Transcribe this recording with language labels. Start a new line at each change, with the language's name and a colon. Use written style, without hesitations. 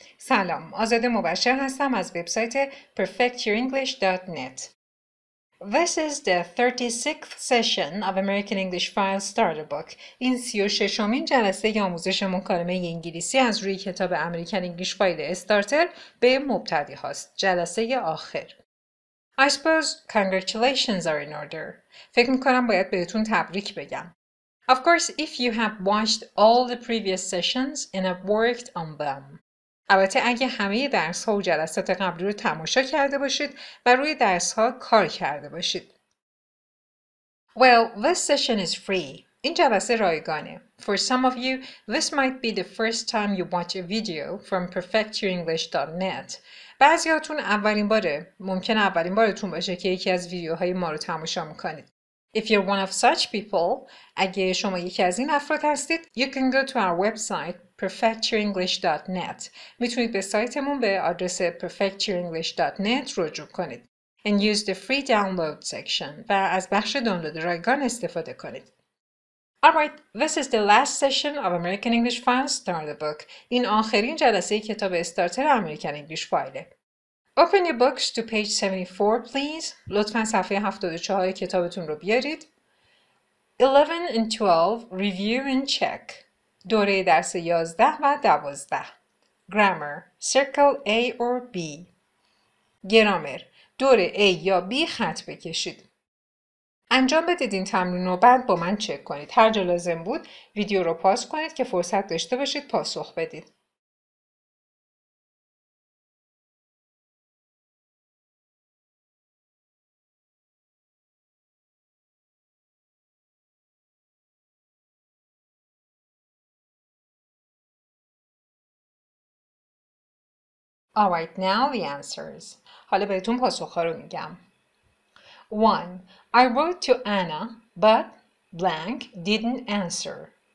Persian: سلام، آزاده مبشر هستم از وبسایت PerfectYourEnglish.net.
English: This is the 36th session of American English File Starter Book.
Persian: این 36th جلسه ی آموزش مکالمه انگلیسی از روی کتاب امریکن انگلیش فایل استارتر به مبتدی هاست. جلسه ی آخر.
English: I suppose congratulations are in order.
Persian: فکر میکنم باید بهتون تبریک بگم.
English: Of course, if you have watched all the previous sessions and have worked on them.
Persian: البته اگه همه درس‌ها و جلسات قبلی رو تماشا کرده باشید و روی درس‌ها کار کرده باشید.
English: Well, this session is free.
Persian: این جلسه رایگانه.
English: For some of you, this might be the first time you watch a video from PerfectYourEnglish.net.
Persian: بعضیاتون اولین باره، ممکنه اولین بارتون باشه که یکی از ویدیوهای ما رو تماشا می‌کنید.
English: If you're one of such people,
Persian: اگه شما یکی از این افراد هستید,
English: you can go to our website, perfectyourenglish.net.
Persian: میتونید به سایتمون به آدرس perfectyourenglish.net رجوع کنید.
English: And use the free download section
Persian: و از بخش دانلود رایگان استفاده کنید.
English: Alright, this is the last session of American English File Starter Book.
Persian: این آخرین جلسه کتاب استارتر امریکن انگلیش فایله.
English: Open your books to page 74, please.
Persian: لطفاً صفحه 74 کتابتون رو بیارید.
English: 11 and 12, review and check.
Persian: دوره درس 11 و 12.
English: Grammar, circle A or B.
Persian: گرامر، دوره A یا B خط بکشید. انجام بدید این تمرین رو بعد با من چک کنید. هر جا لازم بود، ویدیو رو پاس کنید که فرصت داشته باشید پاسخ بدید.
English: All right, now the answers.
Persian: حالا بهتون پاسخ ها رو میگم. 1.
English: I wrote to Anna, but blank didn't answer.